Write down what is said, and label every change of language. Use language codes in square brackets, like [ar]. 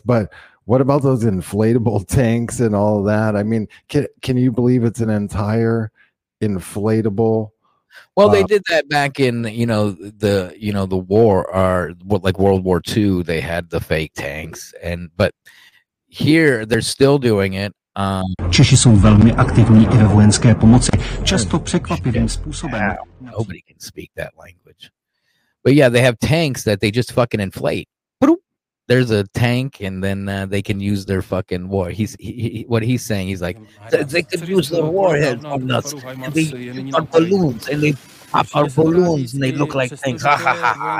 [en] But what about those inflatable tanks and all that? I mean, can you believe it's an entire inflatable? Well, they did that back in, you know, the war, or what, like World War II. They had the fake tanks, but here they're still doing it. [cs] Češi jsou velmi aktivní i ve vojenské pomoci. Často překvapivým způsobem. [en] Nobody can speak that language. But yeah, they have tanks that they just fucking inflate. Boop. There's a tank, and then they can use their fucking war. They can use their warheads on us. They are balloons, and they pop our balloons, and they look like tanks. Ha ha ha ha.